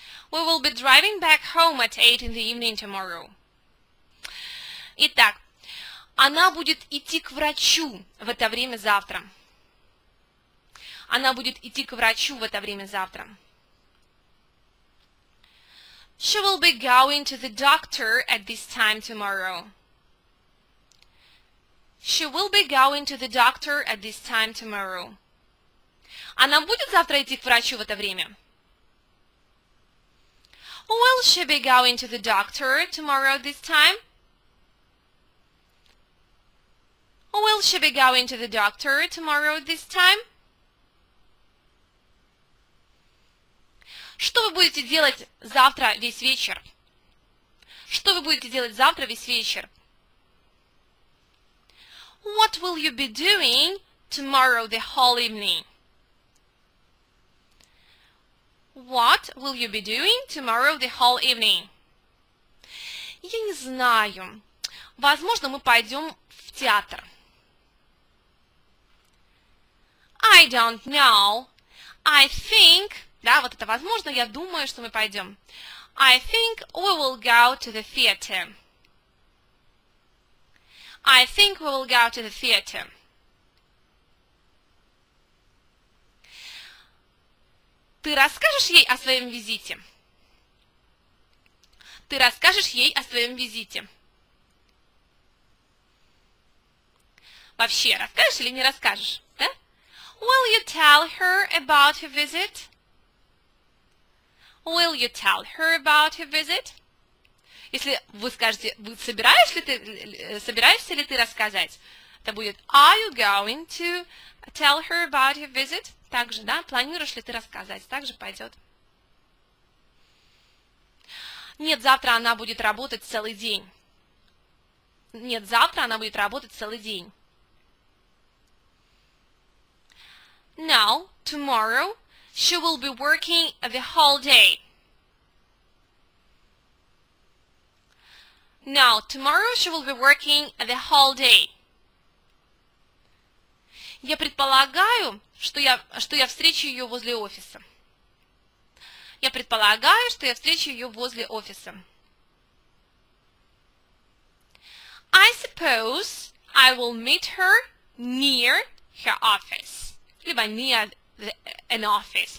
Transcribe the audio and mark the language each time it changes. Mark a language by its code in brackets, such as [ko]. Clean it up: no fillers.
[en] We will be driving back home at 8 in the evening tomorrow. [ru] Итак, она будет идти к врачу в это время завтра. Она будет идти к врачу в это время завтра. [en] She will be going to the doctor at this time tomorrow. She will be going to the doctor at this time tomorrow. [ru] Она будет завтра идти к врачу в это время? [en] Will she be going to the doctor tomorrow at this time? Will she be going to the doctor tomorrow at this time? [ru] Что вы будете делать завтра весь вечер? Что вы будете делать завтра весь вечер? [en] What will you be doing tomorrow the whole evening? What will you be doing tomorrow the whole evening? [ru] Я не знаю. Возможно, мы пойдем в театр. [en] I don't know. I think... [ru] Да, вот это возможно, я думаю, что мы пойдем. [en] I think we will go to the theater. I think we will go to the theater. [ru] Ты расскажешь ей о своем визите? Ты расскажешь ей о своем визите? Вообще, расскажешь или не расскажешь? Да? [en] Will you tell her about her visit? Will you tell her about her visit? [ru] Если вы скажете, собираешься ли ты рассказать, это будет [en] Are you going to tell her about her visit? [ru] Также, да, планируешь ли ты рассказать, также пойдет. Нет, завтра она будет работать целый день. Нет, завтра она будет работать целый день. [en] Now, tomorrow, she will be working the whole day. Now, tomorrow she will be working the whole day. [ru] Я предполагаю, что я встречу ее возле офиса. Я предполагаю, что я встречу ее возле офиса. [en] I suppose I will meet her near her office. [ru] Либо [en] near, an office.